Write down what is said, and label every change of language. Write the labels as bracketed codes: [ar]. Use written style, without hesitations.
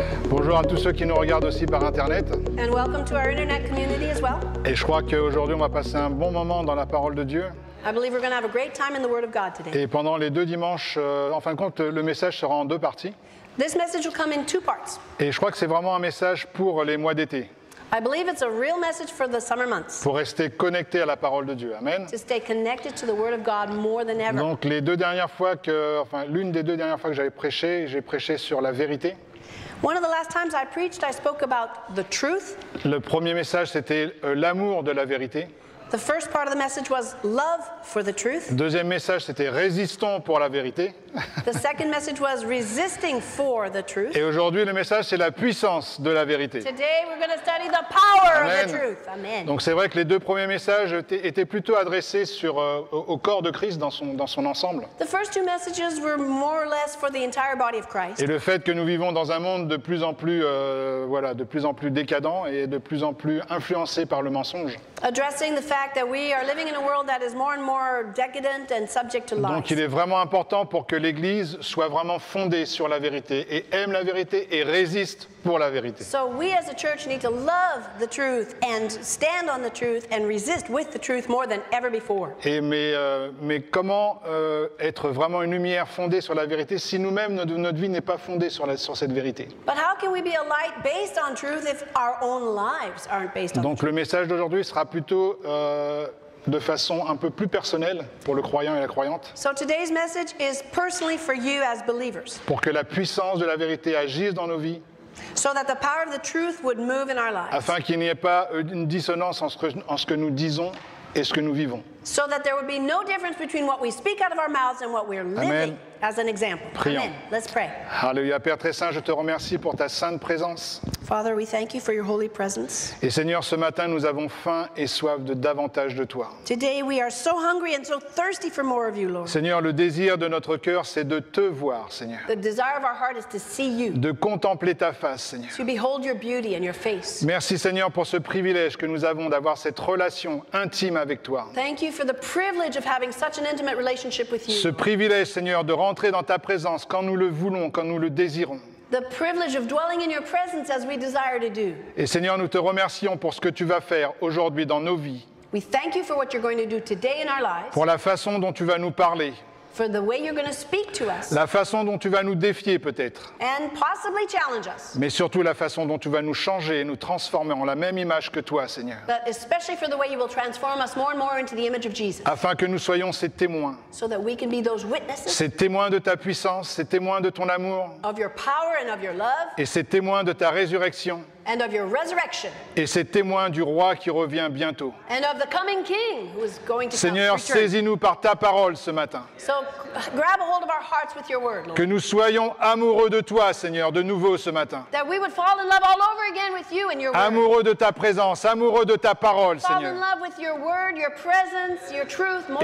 [fr] Bonjour à tous ceux qui nous regardent aussi par Internet. [en] And welcome to our Internet community as well. [fr] Et je crois qu'aujourd'hui, on va passer un bon moment dans la parole de Dieu. [en] I believe we're going to have a great time in the Word of God today. [fr] Et pendant les deux dimanches, en fin de compte, le message sera en deux parties. [en] This message will come in two parts. [fr] Et je crois que c'est vraiment un message pour les mois d'été. [en] I believe it's a real message for the summer months. [fr] Pour rester connecté à la parole de Dieu. Amen. [en] To stay connected to the word of God more than ever. [fr] Donc les deux dernières fois que enfin l'une des deux dernières fois que j'ai prêché sur la vérité. [en] One of the last times I preached, I spoke about the truth. [fr] Le premier message c'était l'amour de la vérité. [en] The first part of the message was love for the truth. [fr] Deuxième message c'était résistons pour la vérité. [en] The second message was resisting for the truth. [fr] Et aujourd'hui le message c'est la puissance de la vérité. [en] Today we're going to study the power Amen. Of the truth. Amen. [fr] Donc c'est vrai que les deux premiers messages étaient plutôt adressés sur au corps de Christ dans son ensemble. [en] The first two messages were more or less for the entire body of Christ. [fr] Et le fait que nous vivons dans un monde de plus en plus de plus en plus décadent et de plus en plus influencé par le mensonge. [en] Addressing the fact that we are living in a world that is more and more decadent and subject to lies. [fr] Donc il est vraiment important pour que l'Église soit vraiment fondée sur la vérité et aime la vérité et résiste pour la vérité. [en] So we as a church need to love the truth and stand on the truth and resist with the truth more than ever before. [fr] Mais comment être vraiment une lumière fondée sur la vérité si nous-mêmes notre vie n'est pas fondée sur cette vérité? [en] But how can we be a light based on truth if our own lives aren't based on [fr] Donc [en] the truth? [fr] Le message d'aujourd'hui sera plutôt de façon un peu plus personnelle pour le croyant et la croyante. [en] So today's message is personally for you as believers. [fr] Pour que la puissance de la vérité agisse dans nos vies. [en] So that the power of the truth would move in our lives. [fr] Afin qu'il n'y ait pas une dissonance en ce que nous disons et ce que nous vivons. [en] So that there would be no difference between what we speak out of our mouths and what we're living. Amen. As an example. [fr] Prions. [en] Amen. Let's pray. [fr] Alléluia, Père très saint, je te remercie pour ta sainte présence. [en] Father, we thank you for your holy presence. [fr] Et Seigneur, ce matin, nous avons faim et soif de davantage de toi. [en] Today we are so hungry and so thirsty for more of you, Lord. [fr] Seigneur, le désir de notre cœur, c'est de te voir, Seigneur. [en] The desire of our heart is to see you. [fr] De contempler ta face, Seigneur. [en] To behold your beauty and your face. [fr] Merci, Seigneur, pour ce privilège que nous avons d'avoir cette relation intime avec toi. [en] Thank you for the privilege of having such an intimate relationship with you. [fr] Ce privilège, Seigneur, de rentrer dans ta présence quand nous le voulons, quand nous le désirons. [en] The privilege of dwelling in your presence as we desire to do. [fr] Et Seigneur, nous te remercions pour ce que tu vas faire aujourd'hui dans nos vies. [en] We thank you for what you're going to do today in our lives. [fr] Pour la façon dont tu vas nous parler. [en] For the way you're going to speak to us. [fr] La façon dont tu vas nous défier peut-être. [en] And possibly challenge us. [fr] Mais surtout la façon dont tu vas nous changer et nous transformer en la même image que toi, Seigneur. [en] But especially for the way you will transform us more and more into the image of Jesus. [fr] Afin que nous soyons ces témoins. [en] So that we can be those witnesses. [fr] Ces témoins de ta puissance, ces témoins de ton amour. [en] Of your power and of your love. [fr] Et ces témoins de ta résurrection. [en] And of your resurrection. [fr] Et ces témoins du roi qui revient bientôt. [en] And of the coming king who is going to [fr] Seigneur, [en] come. [fr] Saisis-nous par ta parole ce matin. [en] So grab a hold of our hearts with your word, Lord. [fr] Que nous soyons amoureux de toi, Seigneur, de nouveau ce matin. [en] That we would fall in love all over again with you and your word. [fr] Amoureux de ta présence, amoureux de ta parole, [en] fall [fr] Seigneur. [en] Fall in love with your word, your presence, your truth more